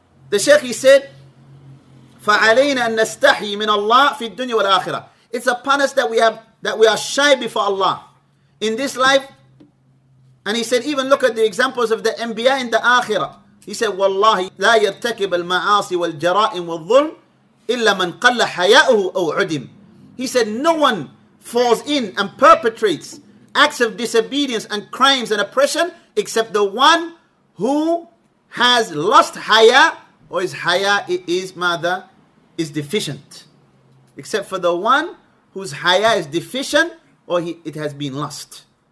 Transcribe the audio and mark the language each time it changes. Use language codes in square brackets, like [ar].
[en] The Shaykh, he said, [ar] فَعَلَيْنَا أَن نَسْتَحْيِ مِنَ اللَّهِ فِي الدُّنْيَا وَالْآخِرَةِ. [en] It's upon us that we are shy before Allah in this life. And he said, even look at the examples of the Anbiya in the Akhirah. He said, [ar] وَاللَّهِ لَا يَرْتَكِبَ الْمَعَاصِ وَالْجَرَائِمُ وَالظُّلْمُ إِلَّا مَنْ قَلَّ حَيَاءُهُ أَوْ عُدِمُ. [en] He said, no one falls in and perpetrates acts of disobedience and crimes and oppression except the one who has lost haya, or his haya is deficient. Except for the one whose haya is deficient, or it has been lost.